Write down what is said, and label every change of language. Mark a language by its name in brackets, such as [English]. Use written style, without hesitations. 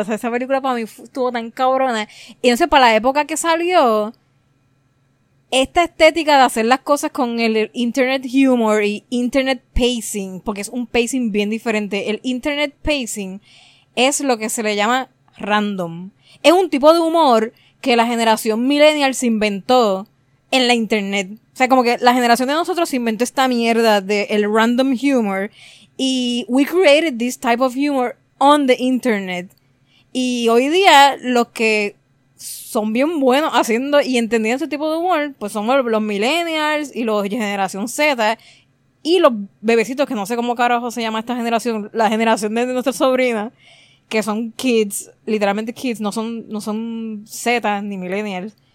[Spanish] O sea, esa película para mí estuvo tan cabrona. Y entonces, para la época que salió, esta estética de hacer las cosas con el internet humor y internet pacing, porque es un pacing bien diferente. El internet pacing es lo que se le llama random. Es un tipo de humor que la generación millennial se inventó en la internet. O sea, como que la generación de nosotros se inventó esta mierda de el random humor. Y [English] we created this type of humor on the internet. [Spanish] Y hoy día, los que son bien buenos haciendo y entendiendo ese tipo de humor, pues somos los millennials y los generación Z. Y los bebecitos, que no sé cómo carajo se llama esta generación, la generación de nuestra sobrina, que son kids, literalmente kids, no son Z ni millennials.